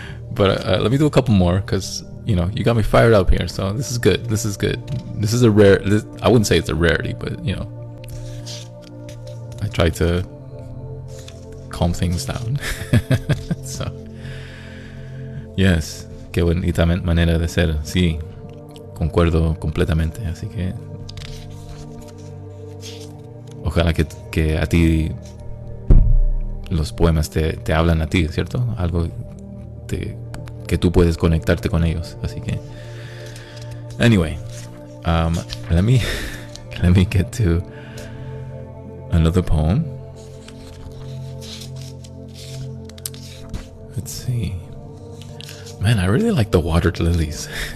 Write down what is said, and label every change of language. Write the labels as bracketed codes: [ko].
[en] But let me do a couple more, because you know, you got me fired up here. So this is good. This is good. This is a rare. I wouldn't say it's a rarity, but you know, I try to calm things down. So yes, [es] qué bonita manera de ser. Sí, concuerdo completamente. Así que ojalá que a ti los poemas te hablan a ti, ¿cierto? Algo que tú puedes conectarte con ellos. Así que [en] anyway, let me get to another poem. Let's see. Man, I really like the water lilies.